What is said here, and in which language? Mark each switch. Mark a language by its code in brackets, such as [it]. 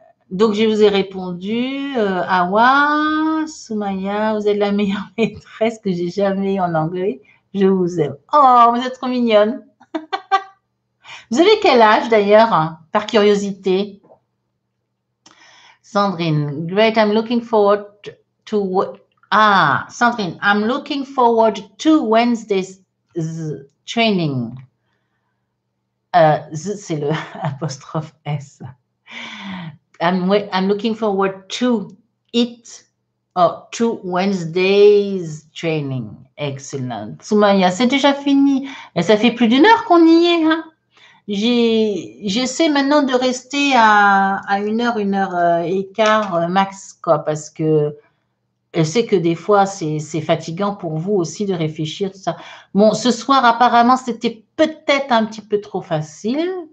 [fr] Donc, je vous ai répondu, Awa, Soumaya, vous êtes la meilleure maîtresse que j'ai jamais eue en anglais. Je vous aime. Oh, vous êtes trop mignonne. Vous avez quel âge d'ailleurs, hein, par curiosité? [en] Sandrine, great, Sandrine, I'm looking forward to Wednesday's training. [fr] C'est le apostrophe S. [en] I'm looking forward to it or to Wednesday's training. [fr] Excellent. Soumaya, c'est déjà fini. Et ça fait plus d'une heure qu'on y est, hein. J'essaie maintenant de rester à une heure et quart max, quoi, parce que je sais que des fois, c'est fatigant pour vous aussi de réfléchir, tout ça. Bon, ce soir, apparemment, c'était peut-être un petit peu trop facile.